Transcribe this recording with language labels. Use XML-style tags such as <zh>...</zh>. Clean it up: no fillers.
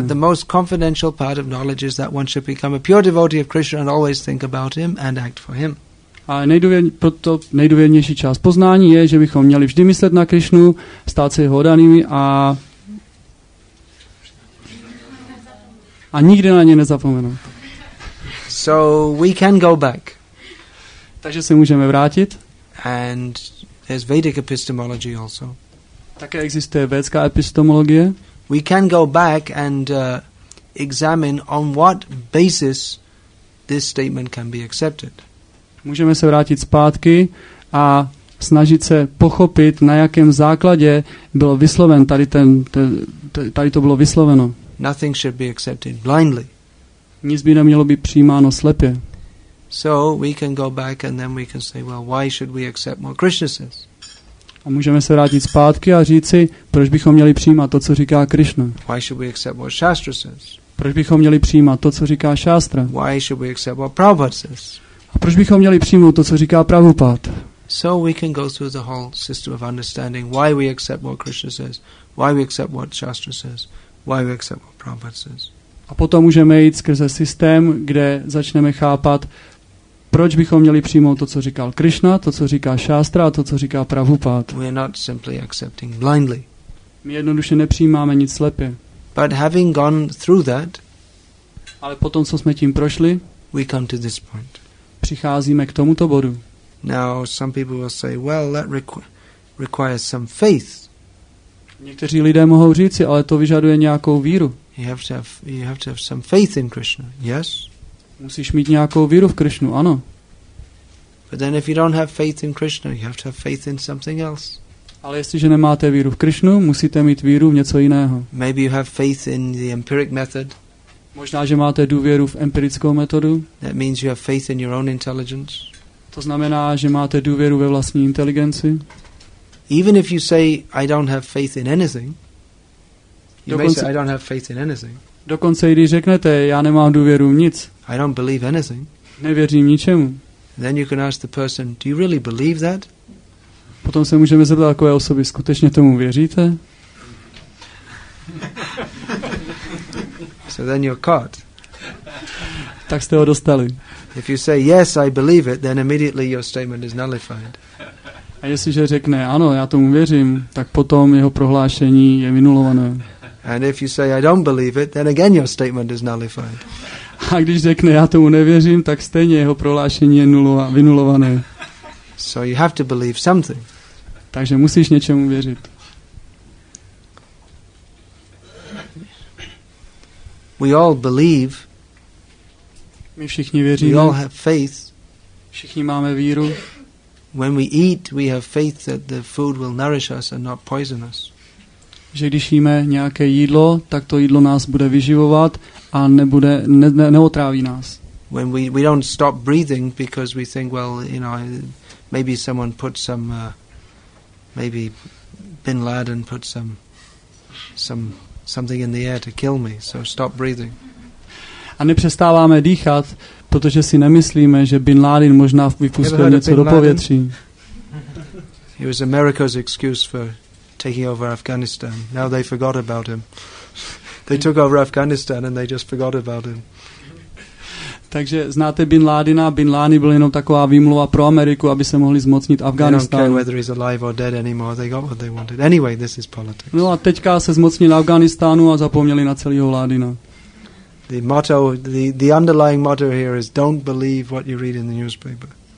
<en>That the most confidential part of knowledge is that one should become a pure devotee of Krishna and always think about him and act for him.</en> <cs>A nejdůvěrnější část poznání je, že bychom měli vždy myslet na Krishnu, stát se jeho oddanými a nikdy na ně nezapomenout.</cs> <en>So we can go back.</en> <cs>Takže se můžeme vrátit.</cs> <en>And There's Vedic epistemology also.</en> <cs>Také existuje védská epistemologie.</cs> <en>We can go back and examine on what basis this statement can be accepted.</en> <cs>Můžeme se vrátit zpátky a snažit se pochopit, na jakém základě bylo vysloven tady ten tady to bylo vysloveno.</cs> <en>Nothing should be accepted blindly.</en> <cs>Nic by nemělo být přijímáno slepě.</cs> <en>So we can go back and then we can say, well, why should we accept what Krishna says?</en> <cs>A můžeme se vrátit zpátky a říci, proč bychom měli přijímat to, co říká Krishna?</cs> <en>Why should we accept what Shastra says?</en> <cs>Proč bychom měli přijímat to, co říká Shastra?</cs> <en>Why should we accept what Prabhupada says?</en> <cs>A proč bychom měli přijmout to, co říká Prabhupád?</cs> <en>So we can go through the whole system of understanding why we accept what Krishna says, why we accept what Shastra says, why we accept what Prabhupada says.</en> <cs>A potom můžeme jít skrze systém, kde začneme chápat, proč bychom měli přijmout to, co říkal Krishna, to, co říká Shastra a to, co říká Prabhupád.</cs> <en>We are not simply accepting blindly.</en> <cs>My jednoduše nepřijímáme nic slepě.</cs> <en>But having gone through that,</en> <cs>ale potom, co jsme tím prošli,</cs> <en>we come to this point.</en> <cs>Přicházíme k tomuto bodu.</cs> <en>Now some people will say, well, that requires some faith.</en> <cs>Někteří lidé mohou říci, ale to vyžaduje nějakou víru.</cs> <en>You have to have some faith in Krishna. Yes.</en> <cs>Musíš mít nějakou víru v Krishnu, ano.</cs> <en>But then if you don't have faith in Krishna, you have to have faith in something else.</en> <cs>Ale jestliže nemáte víru v Krishnu, musíte mít víru v něco jiného.</cs> <en>Maybe you have faith in the empiric method.</en> <cs>Možná, že máte důvěru v empirickou metodu.</cs> <en>That means you have faith in your own intelligence.</en> <cs>To znamená, že máte důvěru ve vlastní inteligenci.</cs> <en>Even if you say I don't have faith in anything, you may say I don't have faith in anything.</en> <cs>Dokonce i když řeknete, já nemám důvěru v nic.</cs> <en>I don't believe anything.</en> <cs>Nevěřím ničemu.</cs> <en>Then you can ask the person, do you really believe that?</en> <cs>Potom se můžeme zeptat takové osoby, skutečně tomu věříte?</cs> <en>So then you're caught.</en> <cs>Tak jste ho dostali.</cs> <en>If you say yes, I believe it, then immediately your statement is nullified.</en> <cs>A jestliže řekne ano, já tomu věřím, tak potom jeho prohlášení je vynulované.</cs> <en>And if you say I don't believe it, then again your statement is nullified.</en> <cs>A když řekne já tomu nevěřím, tak stejně jeho prohlášení je vynulované.</cs> <en>So you have to believe something.</en> <cs>Takže musíš něčemu věřit.</cs> <en>We all believe.</en> <cs>My všichni věříme.</cs> <en>We all have faith.</en> <cs>Všichni máme víru.</cs> <en>When we eat, we have faith that the food will nourish us and not poison us.</en> <cs>Že když jíme nějaké jídlo, tak to jídlo nás bude vyživovat a nebude neotráví nás.</cs> <en>When we don't stop breathing because we think, well, you know, maybe someone put some maybe Bin Laden put some something in the air to kill me, so stop breathing.</en> <cs>A nepřestáváme dýchat, protože si nemyslíme, že Bin Laden možná vypustil něco do povětří.</cs> <en>He was America's excuse for taking over Afghanistan. Now they forgot about him. They took over Afghanistan and they just forgot about him.</en> <cs>Takže znáte Bin Ládina? Bin Ládin byl jenom taková výmluva pro Ameriku, aby se mohli zmocnit Afghánistánu.</cs> <en>They don't care whether he's alive or dead anymore. They got what they wanted. Anyway, this is politics.</en> <cs>No a teďka se zmocnili Afghánistánu a zapomněli na celého Ládina.</cs> <en>The motto, the underlying motto here is don't believe what you read in the newspaper.</en>